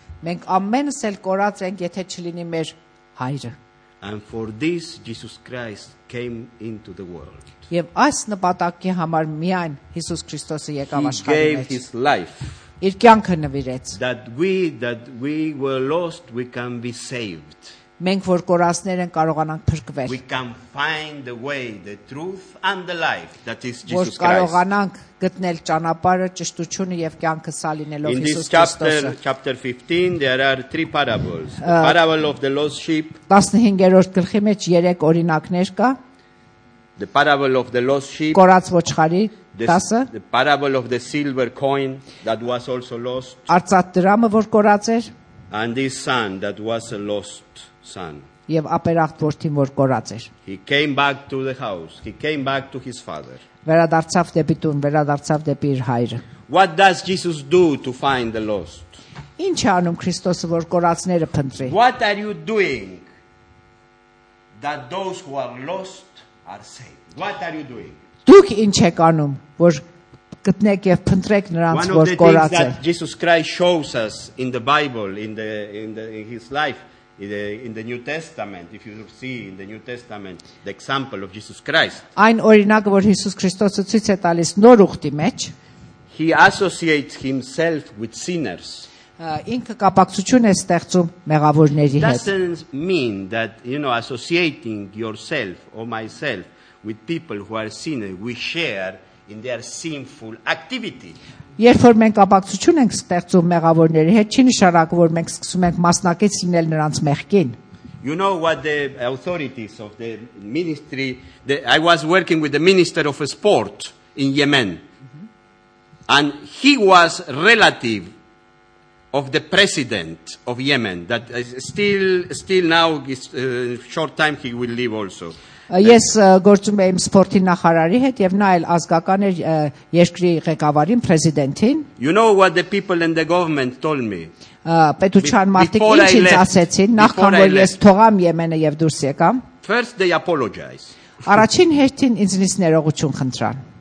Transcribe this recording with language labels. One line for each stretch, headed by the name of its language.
Armenian: Մենք ամենս էլ կորած ենք, եթե չլինի մեր Հայրը.
English: And for this, Jesus Christ came into the world.
Armenian: Եվ այս նպատակի համար միայն Հիսուս Քրիստոսը եկավ աշխարհ մեջ.
English: He gave his life.
Armenian: Իր կյանքը նվիրեց.
English: That we were lost, we can be saved.
Armenian: Մենք որ կորածներ են կարողանանք փրկվել.
English: We can find the way, the truth and the life, that is Jesus Christ.
Armenian: Որ կարողանանք գտնել ճանապարհը, ճշտությունը եւ կյանքը սա լինելով Հիսուս Քրիստոսը.
English: In this chapter 15 there are three parables. The parable of the lost sheep.
Armenian: 15-րդ գլխի մեջ 3 օրինակներ կա.
English: The parable of the lost sheep.
Armenian: Կորած ոչխարի 10-ը.
English: The parable of the silver coin that was also lost.
Armenian: Արծաթ դրամը, որ կորած էր.
English: And this son that was a lost son.
Armenian: Եվ ապերախտ որդին, որ կորած էր.
English: He came back to the house. He came back to his father.
Armenian: Վերադարձավ դեպի տուն, վերադարձավ դեպի իր հայրը.
English: What does Jesus do to find the lost?
Armenian: Ինչ է անում Քրիստոսը, որ կորածները փնտրի?
English: What are you doing that those who are lost are saved? What are you doing?
Armenian: Դուք ինչ եք անում, որ գտնեք եւ փնտրեք նրանց, որ կորած են?
English: One of the things that Jesus Christ shows us in the Bible, in his life, in the New Testament, if you see in the New Testament the example of Jesus Christ.
Armenian: Այն օրինակը, որ Հիսուս Քրիստոսը ցույց է տալիս նոր ուղտի մեջ.
English: He associates himself with sinners.
Armenian: Ինքը կապակցություն է ստեղծում մեղավորների հետ.
English: That doesn't mean that, you know, associating yourself or myself with people who are sinners, we share in their sinful activity.
Armenian: Երբ որ մենք ապակցություն ենք ստեղծում մեղավորների հետ, չի նշանակում, որ մենք սկսում ենք մասնակից լինել նրանց մեղքին.
English: You know what the authorities of the ministry, I was working with the minister of sport in Yemen. And he was relative of the president of Yemen that is still now is short time he will leave also.
Armenian: Ես գործում եմ սպորտի նախարարի հետ եւ նա էլ ազգական էր երկրի ղեկավարին, պրեզիդենտին։
English: You know what the people and the government told me?
Armenian: Պետության մարդիկ ինչ ինձ ասացին, նախքան որ ես թողամ Եմենը եւ դուրս եկամ։
English: First they apologize.
Armenian: Առաջին հերթին ինձ ներողություն խնդրան։